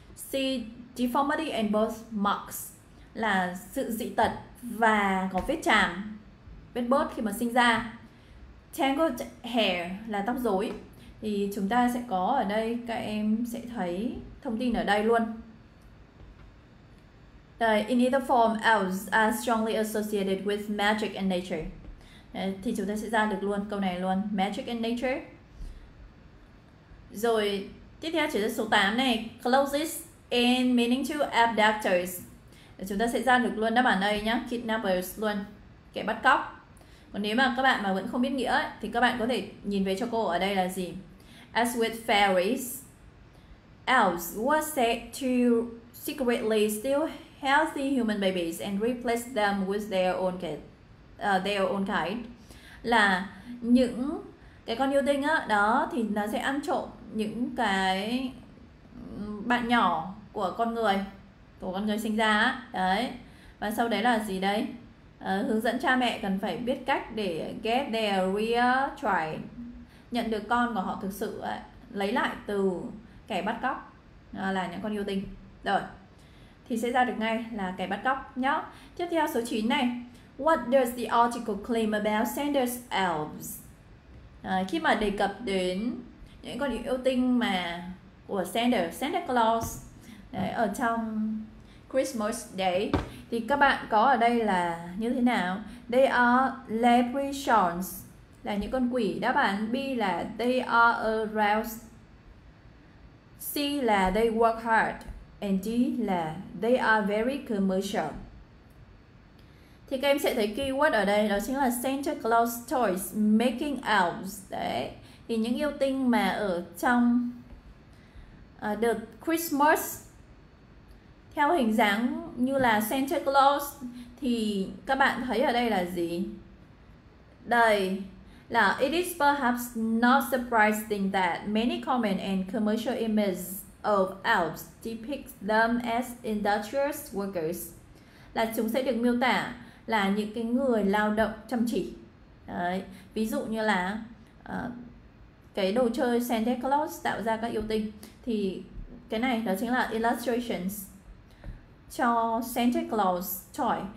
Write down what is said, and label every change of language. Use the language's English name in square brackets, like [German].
[Vietnamese] C, deformity and birthmarks, là sự dị tật và có vết chàm, vết bớt khi mà sinh ra. Tangled hair là tóc rối. Thì chúng ta sẽ có ở đây, các em sẽ thấy thông tin ở đây luôn. [English] Đây, in either form, elves are strongly associated with magic and nature. [Vietnamese] Đấy, thì chúng ta sẽ ra được luôn câu này luôn, [English] magic and nature. [Vietnamese] Rồi, tiếp theo chỉ là số 8 này, [English] closest in meaning to abductors. [Vietnamese] Đấy, chúng ta sẽ ra được luôn đáp án A nhá, kidnappers luôn, kẻ bắt cóc. Còn nếu mà các bạn mà vẫn không biết nghĩa ấy, thì các bạn có thể nhìn về cho cô ở đây là gì? [English] As with fairies, elves were said to secretly steal healthy human babies and replace them with their own kind. [Vietnamese] Là những cái con yêu tinh á, đó thì nó sẽ ăn trộm những cái bạn nhỏ của con người sinh ra á. Đấy. Và sau đấy là gì đấy? Hướng dẫn cha mẹ cần phải biết cách để [English] get their real child, [Vietnamese] nhận được con của họ thực sự ấy, lấy lại từ kẻ bắt cóc là những con yêu tinh. Rồi. Thì sẽ ra được ngay là kẻ bắt cóc nhá. Tiếp theo số 9 này. [English] What does the article claim about Sanders Elves? [Vietnamese] Khi mà đề cập đến những con yêu tinh mà của Santa Claus đấy, ở trong Christmas Day, thì các bạn có ở đây là như thế nào? [English] They are leprechauns, [Vietnamese] là những con quỷ. Đáp án B là [English] they are elves. [Vietnamese] C là [English] they work hard. And D là they are very commercial. [Vietnamese] Thì các em sẽ thấy keyword ở đây đó chính là Santa Claus toys making elves. Đấy. Thì những yêu tinh mà ở trong the Christmas theo hình dáng như là Santa Claus, thì các bạn thấy ở đây là gì? Đây là [English] it is perhaps not surprising that many common and commercial images of elves depict them as industrious workers. [Vietnamese] Là chúng sẽ được miêu tả là những cái người lao động chăm chỉ. Đấy. Ví dụ như là cái đồ chơi Santa Claus tạo ra các yêu tinh. Thì cái này đó chính là illustrations cho Santa Claus toy.